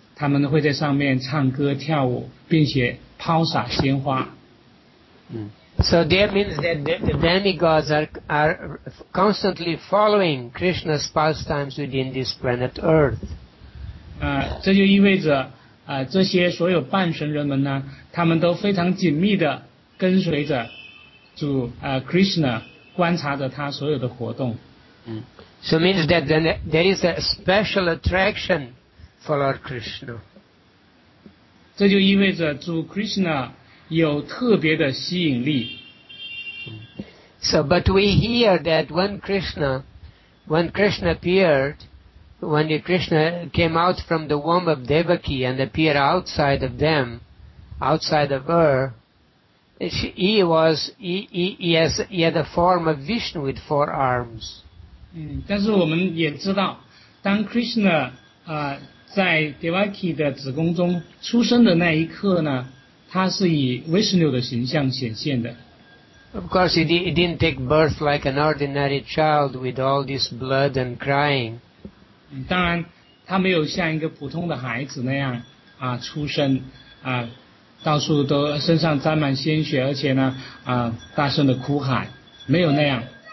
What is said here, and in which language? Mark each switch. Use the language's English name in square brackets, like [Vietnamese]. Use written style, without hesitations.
[Chinese] 他们会在上面唱歌跳舞并且抛洒鲜花。 [English] So that means that the demigods are constantly following Krishna's pastimes within this planet Earth. [Chinese] 这就意味着这些所有半神人们呢他们都非常紧密地跟随着主Krishna 观察着他所有的活动。 [English] So it means that there is a special attraction for Lord Krishna. [Chinese] 这就意味着主 Krishna 有特别的吸引力。 [English] So, but we hear that when Krishna came out from the womb of Devaki and appeared outside of them, outside of her, he had a form of Vishnu with four arms. [Chinese] 但是我们也知道，当 Krishna 在 Devaki 的子宫中出生的那一刻呢，他是以 Vishnu 的形象显现的。 [English] Of course, he didn't take birth like an ordinary child with all this blood and crying. [Chinese] 当然，他没有像一个普通的孩子那样出生到处都身上沾满鲜血，而且呢大声的哭喊，没有那样。